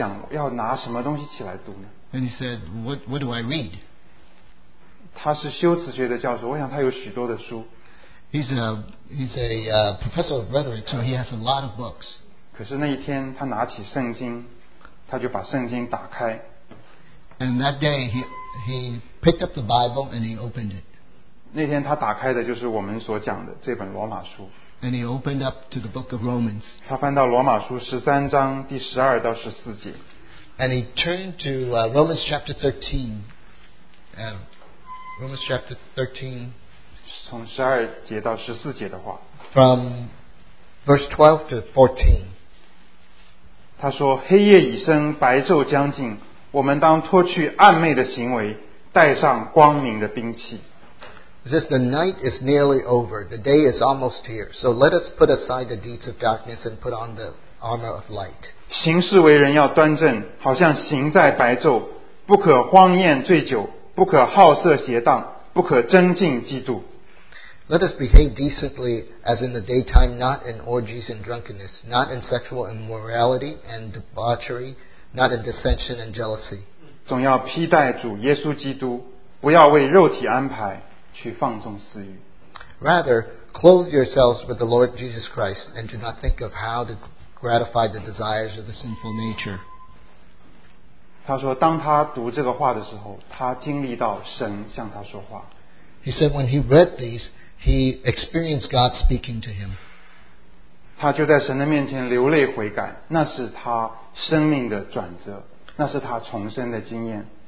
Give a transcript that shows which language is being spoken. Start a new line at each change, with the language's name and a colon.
Chinese: 他就想要拿什么东西起来读呢？
English: And he said， what do I read？
Chinese: 他是修辞学的教授，我想他有许多的书。
English: He's a professor of rhetoric, so he has a lot of books.
Chinese: 可是那一天他拿起圣经，他就把圣经打开。
English: And that day he picked up the Bible and he opened it.
Chinese: 那天他打开的就是我们所讲的这本罗马书。
English: And he opened up to the book of Romans.
Chinese: 他翻到罗马书13章第12到14节。
English: And he turned to Romans chapter 13. Romans chapter 13.
Chinese: 从12节到14节的话,
English: From verse 12 to 14,
Chinese: 他说：“黑夜已深，白昼将近，我们当脱去暧昧的行为，带上光明的兵器。”
English: The night is nearly over, the day is almost here, so let us put aside the deeds of darkness and put on the armor of light.
Chinese: 行事为人要端正, 好像行在白昼, 不可荒宴醉酒, 不可好色邪荡, 不可增进嫉妒。
English: Let us behave decently as in the daytime, not in orgies and drunkenness, not in sexual immorality and debauchery, not in dissension and jealousy.
Chinese: 总要披戴主耶稣基督, 不要为肉体安排, 去放纵私欲。
English: Rather, clothe yourselves with the Lord Jesus Christ and do not think of how to gratify the desires of the sinful nature.
Chinese: 他说当他读这个话的时候, 他经历到神向他说话。
English: He said when he read these, he experienced God speaking to him.
Chinese: 他就在神的面前流泪悔改, 那是他生命的转折, 那是他重生的经验。